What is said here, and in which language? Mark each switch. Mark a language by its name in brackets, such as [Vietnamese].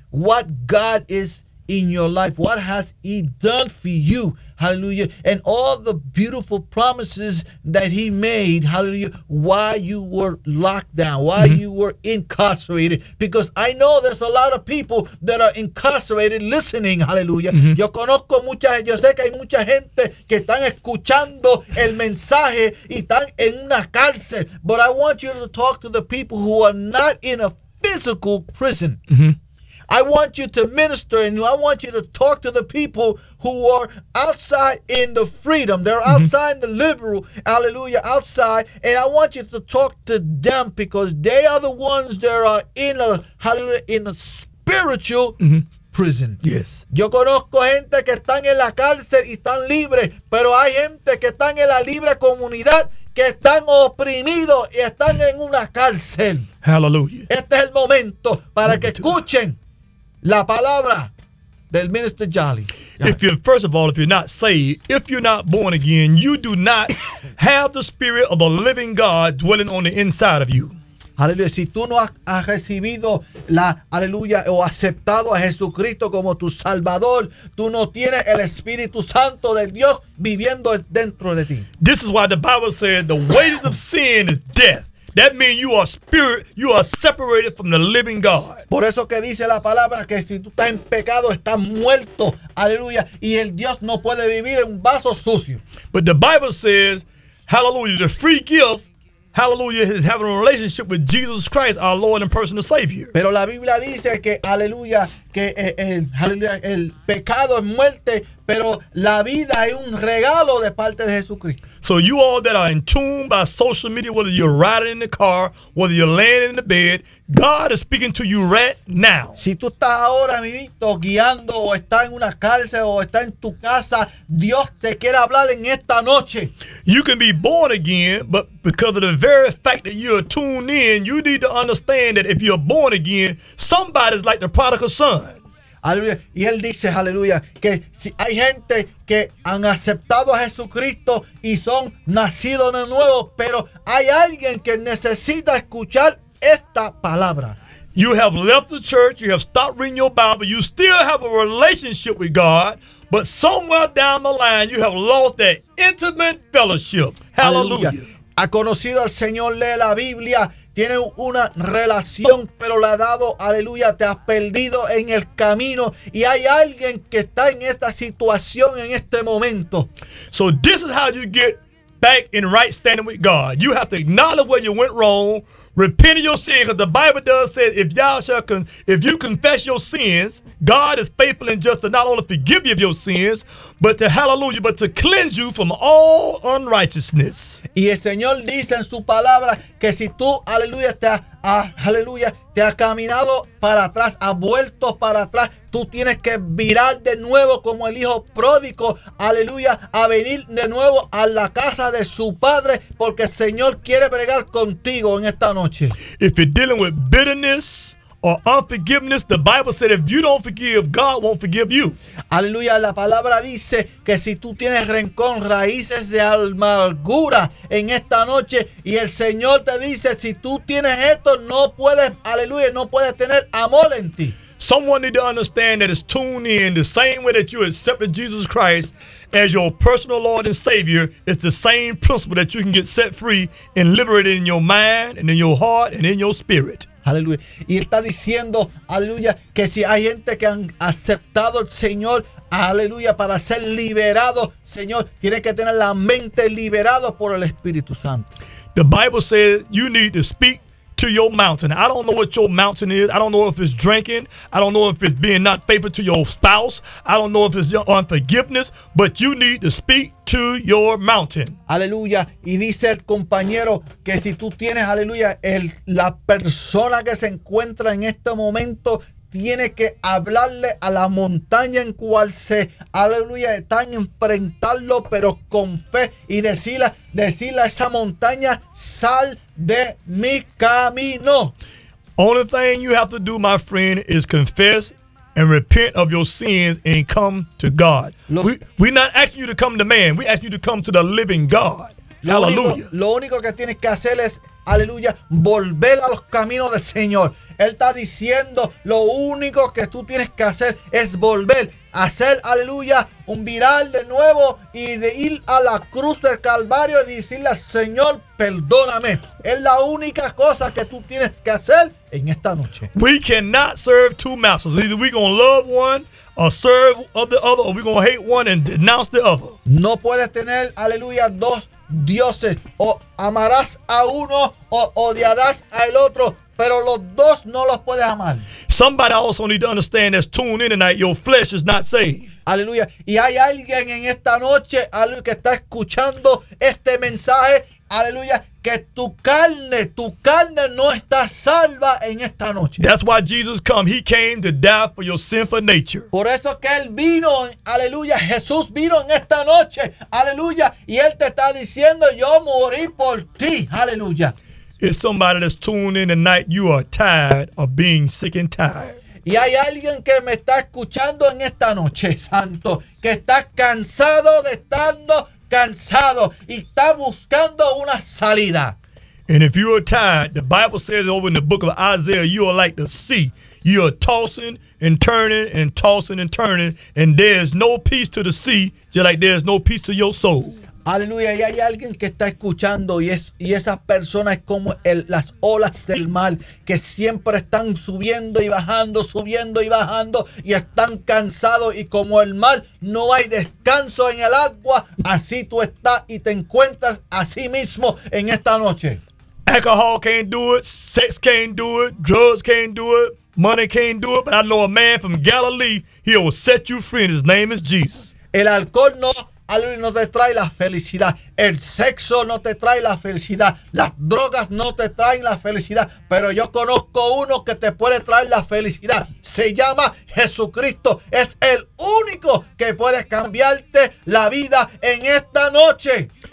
[English] what God is in your life. What has he done for you? Hallelujah. And all the beautiful promises that he made, hallelujah, while you were locked down, while mm-hmm. you were incarcerated. Because I know there's a lot of people that are incarcerated listening, hallelujah. Mm-hmm. [Spanish] Yo conozco mucha, yo sé que hay mucha gente que están escuchando el mensaje y están en una cárcel. [English] But I want you to talk to the people who are not in a physical prison. Mm-hmm. I want you to minister, and I want you to talk to the people who are outside in the freedom. They're mm-hmm. outside in the liberal, hallelujah, outside. And I want you to talk to them because they are the ones that are in a, hallelujah, in a spiritual mm-hmm. prison. Yes. [Spanish] Yo conozco gente que están en la cárcel y están libres, pero hay gente que están en la libre comunidad que están oprimidos y están en una cárcel. [English] Hallelujah. [Spanish] Este es el momento para que escuchen la palabra del Minister Jolly. [English] If you're, first of all, if you're not saved, if you're not born again, you do not have the spirit of a living God dwelling on the inside of you. Hallelujah. [Spanish] Si tú no has recibido la, aleluya, o aceptado a Jesucristo como tu salvador, tú no tienes el Espíritu Santo de Dios viviendo dentro de ti. [English] This is why the Bible says the wages of sin is death. That means you are spirit, you are separated from the living God. [Spanish] Por eso que dice la palabra que si tú estás en pecado, estás muerto. Aleluya. Y el Dios no puede vivir en un vaso sucio. [English] But the Bible says, hallelujah, the free gift, hallelujah, is having a relationship with Jesus Christ, our Lord and personal Savior. [Spanish] Pero la Biblia dice que, aleluya, que el pecado es muerte, Pero la vida es un regalo de parte de Jesucristo. [English] So you all that are in tune by social media, whether you're riding in the car, whether you're laying in the bed, God is speaking to you right now. [Spanish] Si tú estás ahora mismo guiando o estás en una cárcel o estás en tu casa, Dios te quiere hablar en esta noche. [English] You can be born again, but because of the very fact that you're tuned in, you need to understand that if you're born again, somebody's like the prodigal son. [Spanish] Aleluya. Y él dice, aleluya, que si hay gente que han aceptado a Jesucristo y son nacidos de nuevo, pero hay alguien que necesita escuchar esta palabra. [English] You have left the church, you have stopped reading your Bible, you still have a relationship with God, but somewhere down the line you have lost that intimate fellowship. Hallelujah. Aleluya. [Spanish] Ha conocido al Señor, lee la Biblia. Tiene una relación, pero la ha dado, aleluya, te has perdido en el camino. Y hay alguien que está en esta situación en este momento. [English] So this is how you get back in right standing with God. You have to acknowledge where you went wrong, repent of your sin, because the Bible does say if you confess your sins, God is faithful and just to not only forgive you of your sins, but to, hallelujah, but to cleanse you from all unrighteousness. [Spanish] Y el Señor dice en su palabra que si tú, aleluya, te ha caminado para atrás, ha vuelto para atrás, tú tienes que virar de nuevo como el hijo pródigo, aleluya, a venir de nuevo a la casa de su padre, porque el Señor quiere bregar contigo en esta noche. [English] If you're dealing with bitterness or unforgiveness, the Bible said if you don't forgive, God won't forgive you. [Spanish] Aleluya, la palabra dice que si tú tienes rencor, raíces de amargura en esta noche, y el Señor te dice, si tú tienes esto, no puedes, aleluya, no puedes tener amor en ti. [English] Someone need to understand that it's tuned in the same way that you accepted Jesus Christ as your personal Lord and Savior. It's the same principle that you can get set free and liberated in your mind and in your heart and in your spirit. [Spanish] Aleluya. Y está diciendo, aleluya, que si hay gente que han aceptado al Señor, aleluya, para ser liberado, Señor, tiene que tener la mente liberada por el Espíritu Santo. [English] The Bible says you need to speak to your mountain. I don't know what your mountain is. I don't know if it's drinking. I don't know if it's being not faithful to your spouse. I don't know if it's your unforgiveness, but you need to speak to your mountain. [Spanish] Aleluya. Y dice el compañero que si tú tienes, aleluya, la persona que se encuentra en este momento tiene que hablarle a la montaña en cual se, aleluya, están enfrentando, pero con fe, y decirle a esa montaña, sal de mi camino. [English] Only thing you have to do, my friend, is confess and repent of your sins and come to God. We're not asking you to come to man. We ask you to come to the living God. Hallelujah. [Spanish] Lo único que tienes que hacer es, aleluya, volver a los caminos del Señor. Él está diciendo, lo único que tú tienes que hacer es volver, hacer, aleluya, un viral de nuevo y de ir a la cruz del Calvario y decirle al Señor, perdóname. Es la única cosa que tú tienes que hacer en esta noche. [English] We cannot serve two masters. Either we're going to love one or serve of the other, or we're going to hate one and denounce the other. [Spanish] No puedes tener, aleluya, dos dioses. O amarás a uno o odiarás al otro. Pero los dos no los puedes amar. [English] Somebody also need to understand that's tuned in tonight. Your flesh is not saved. [Spanish] Aleluya. Y hay alguien en esta noche, aleluya, que está escuchando este mensaje. Aleluya. Que tu carne no está salva en esta noche. [English] That's why Jesus come. He came to die for your sinful nature. [Spanish] Por eso que Él vino, aleluya, Jesús vino en esta noche, aleluya, y Él te está diciendo, yo morí por ti, aleluya. [English] If somebody that's tuned in tonight, you are tired of being sick and tired. [Spanish] Y hay alguien que me está escuchando en esta noche, santo, que está cansado de estando cansado y está buscando una salida. [English] And if you are tired, the Bible says over in the book of Isaiah, you are like the sea. You are tossing and turning and tossing and turning, and there is no peace to the sea, just like there is no peace to your soul. [Spanish] Aleluya, y hay alguien que está escuchando y esa persona es como las olas del mar que siempre están subiendo y bajando y están cansados y como el mar no hay descanso en el agua, así tú estás y te encuentras así mismo en esta noche. [English] Alcohol can't do it, sex can't do it, drugs can't do it, money can't do it, but I know a man from Galilee, he will set you free and his name is Jesus. [Spanish] El alcohol no, aleluya, no te trae la felicidad. El sexo no te trae la felicidad. Las drogas no te traen la felicidad. Pero yo conozco uno que te puede traer la felicidad. Se llama Jesucristo. Es el único que puede cambiarte la vida en esta noche.